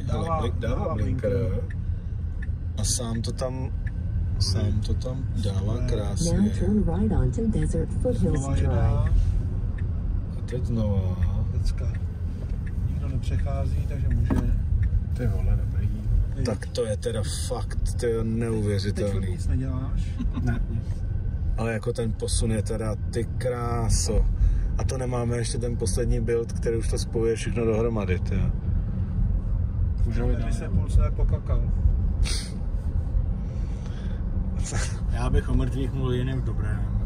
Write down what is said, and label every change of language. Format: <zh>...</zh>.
<cs>Dává, ale dává blinker. A sám to tam, sám to tam dává krásně.</cs> <en>Now turn right onto Desert Foothills Drive.</en> <cs>A teď znova. Pecka. Nikdo nepřechází, takže může. Ty vole, dobrý. Tak to je teda fakt, to je neuvěřitelný. Teď nic neděláš? Ne. Ale jako ten posun je teda, ty kráso. A to nemáme ještě ten poslední build, který už to spojuje všechno dohromady, ty jo. Můžeme vidět. Když jsem půl se tak pokakal. Já bych o mrtvých mluvil jiným dobrém.</cs>